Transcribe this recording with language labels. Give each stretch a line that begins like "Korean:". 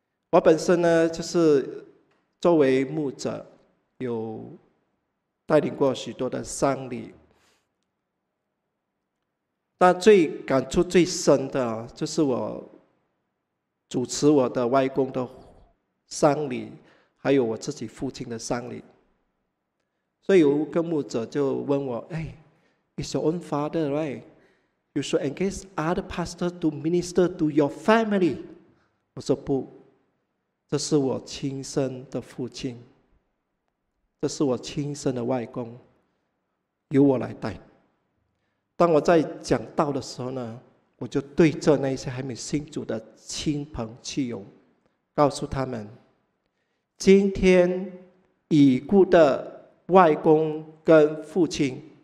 Chinese: 我本身呢，就是作为牧者有带领过许多的丧礼，但最感触最深的就是我主持我的外公的丧礼，还有我自己父亲的丧礼。所以有一个牧者就问我，哎，
English: It's your own father, right? You should engage other pastor to minister to your family.
Chinese: 我说不，这是我亲生的父亲，这是我亲生的外公，由我来带。当我在讲道的时候呢，我就对着那些还没信主的亲朋戚友告诉他们，今天已故的外公跟父亲，